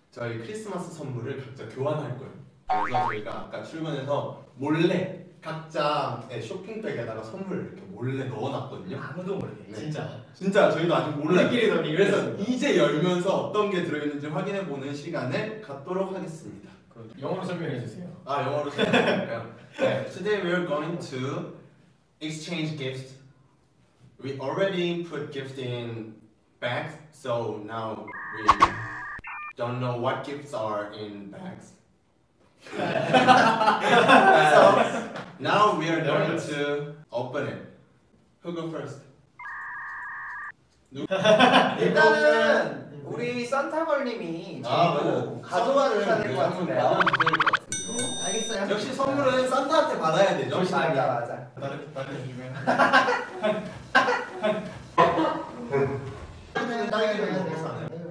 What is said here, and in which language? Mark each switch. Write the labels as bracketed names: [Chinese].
[Korean] 저희 크리스마스 선물을 각자 교환할 거예요. 그래서 저희가 아까 출근해서 몰래 각자의 쇼핑백에다가 선물을 이렇게 몰래 넣어놨거든요. 아무도 몰래. 네. 진짜. 진짜 저희도 아직 몰라요. 우리끼리도 그래서 이제 열면서 어떤 게 들어있는지 확인해보는 시간을 갖도록 하겠습니다. 영어로 설명해 주세요. 아 영어로 설명할까요? [English] 네, today we're going to exchange gifts. We already put gifts in bags, so now we don't know what gifts are in bags. So now we are going to open it. Who go first? [Korean] 일단은 우리 산타걸님이 지금 가져와를 해야 될 것 같은데요. 알겠어요. 역시 선물은 산타한테 받아야 되죠. 맞아, 맞아. 나를 주면.